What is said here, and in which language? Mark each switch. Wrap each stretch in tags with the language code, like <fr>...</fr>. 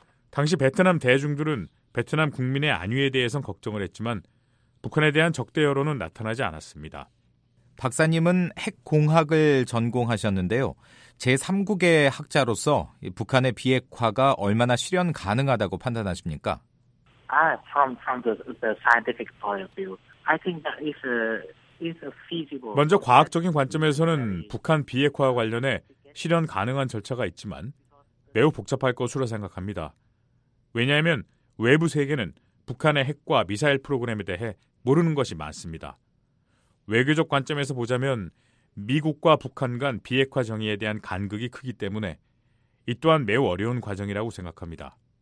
<ko>당시 베트남 대중들은 베트남 국민의 안위에 대해선 걱정을 했지만 북한에 대한 적대 여론은 나타나지 않았습니다. 박사님은 핵공학을 전공하셨는데요. 제3국의 학자로서 북한의 비핵화가 얼마나 실현 가능하다고 판단하십니까?</ko> <en>From the scientific point of view, I think that is feasible.</en> <ko>먼저 과학적인 관점에서는 북한 비핵화와 관련해 실현 가능한 절차가 있지만 매우 복잡할 것으로 생각합니다. 왜냐하면 외부 세계는 북한의 핵과 미사일 프로그램에 대해 모르는 것이 많습니다. 외교적 관점에서 보자면 미국과 북한 간 비핵화 정의에 대한 간극이 크기 때문에 이 또한 매우 어려운 과정이라고 생각합니다.</ko>